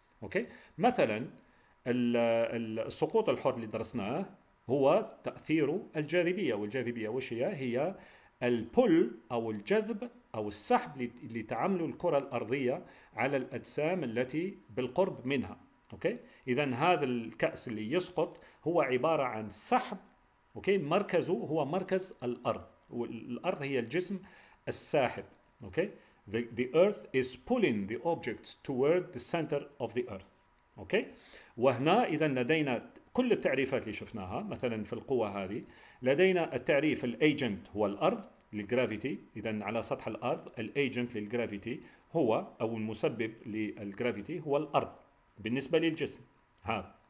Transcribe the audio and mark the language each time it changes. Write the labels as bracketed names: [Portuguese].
[Arabic] أوكي؟ مثلا السقوط الحر اللي درسناه هو تأثير الجاذبية، والجاذبية وش هي البول أو الجذب أو السحب اللي تعمله الكرة الأرضية على الأجسام التي بالقرب منها. أوكي؟ إذن هذا الكأس اللي يسقط هو عبارة عن سحب، أوكي؟ مركزه هو مركز الأرض، والأرض هي الجسم الساحب. [English] okay the earth is pulling the objects toward the center of the earth. [Arabic] okay وهنا إذا لدينا كل التعريفات اللي شفناها مثلا في القوة هذه، لدينا التعريف الأيجنت هو الأرض للجرافيتي، إذا على سطح الأرض الأيجنت للجرافيتي هو أو المسبب للجرافيتي هو الأرض بالنسبة للجسم هذا.